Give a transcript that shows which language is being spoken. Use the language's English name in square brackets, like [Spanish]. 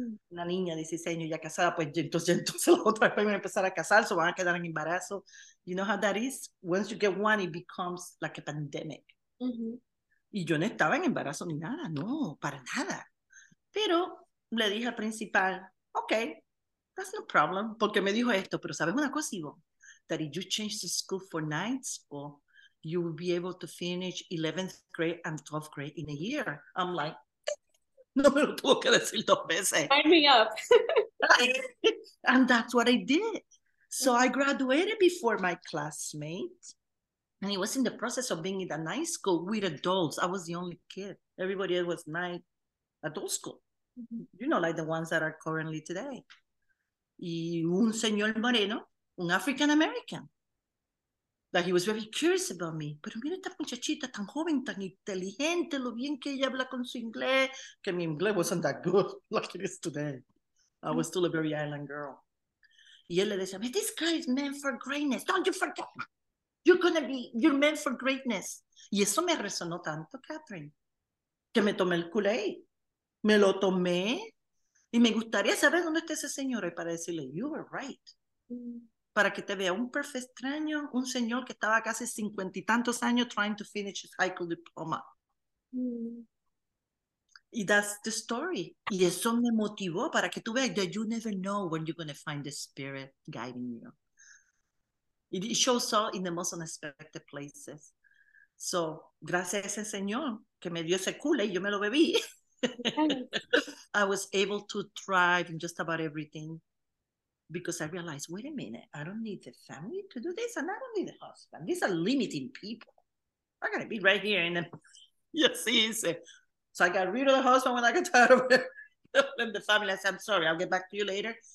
[Spanish] Una niña de 16 años ya casada, pues entonces la otra vez van a empezar a casar, so van a quedar en embarazo. [English] You know how that is? Once you get one, it becomes like a pandemic. [Spanish] Y yo no estaba en embarazo ni nada, no, para nada. Pero le dije al principal, okay, that's no problem, porque me dijo esto, pero ¿sabes una cosa, Ivonne? [English] That if you change the school for night school, you will be able to finish 11th grade and 12th grade in a year. [Spanish] I'm like, no me lo tuvo que decir dos veces. [English] Sign me up. And that's what I did. So I graduated before my classmates. And it was in the process of being in a night school with adults. I was the only kid. Everybody else was night adult school. You know, like the ones that are currently today. [Spanish] Y un señor moreno, un African-American. [English] That he was very curious about me. [Spanish] Pero mira esta muchachita tan joven, tan inteligente, lo bien que ella habla con su inglés. [English] Que mi inglés wasn't that good like it is today. I was still a very island girl. Y él le decía, this guy is meant for greatness. Don't you forget. You're meant for greatness. Y eso me resonó tanto, Catherine. [Spanish] Que me tomé el culé. Me lo tomé. Y me gustaría saber dónde está ese señor para decirle, you were right. Para que te vea un perfecto extraño, un señor que estaba casi 50 y tantos años trying to finish his high school diploma. [English] Y that's the story. Y eso me motivó para que tú veas that you never know when you're going to find the spirit guiding you. It shows up in the most unexpected places. [Spanish] So, gracias a ese señor que me dio ese culo y yo me lo bebí. [English] I was able to thrive in just about everything. Because I realized, wait a minute, I don't need the family to do this, and I don't need the husband. These are limiting people. I gotta be right here in the yes, easy. So I got rid of the husband when I got tired of it. And the family, I said, I'm sorry, I'll get back to you later.